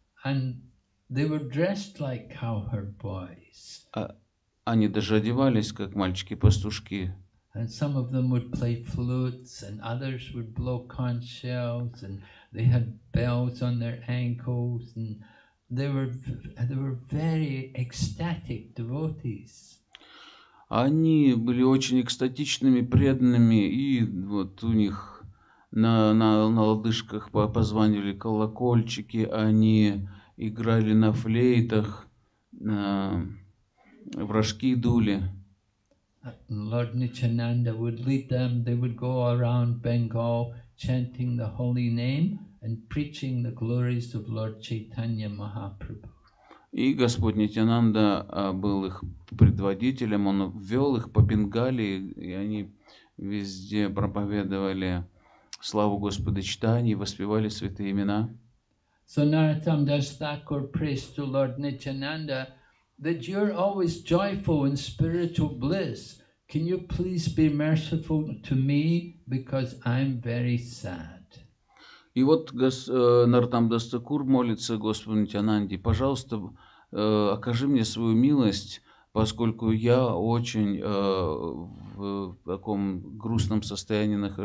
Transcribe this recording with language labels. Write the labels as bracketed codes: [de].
[en] And they were dressed like cowherd boys. [ru] Они даже одевались как мальчики-пастушки. [en] And some of them would play flutes, and others would blow conch shells, and they had bells on their ankles, and they were very ecstatic devotees. [ru] Они были очень экстатичными, преданными, и вот у них на лодыжках позвонили колокольчики, они играли на флейтах, в рожки дули. [en] Lord Nityananda would lead them, they would go around Bengal chanting the holy name and preaching the glories of Lord Chaitanya Mahaprabhu. [ru] И Господь Нитянанда был их предводителем, он ввел их по Бенгалии, и они везде проповедовали славу Господа Чайтаньи, воспевали святые имена. [en] So Narottam Das Thakur prays to Lord Nityananda that you're always joyful in spiritual bliss. Can you please be merciful to me because I'm very sad? [ru] И вот Нартам Дас Такур молится Господу Нитянанде: пожалуйста, окажи мне свою милость, поскольку я очень в таком грустном состоянии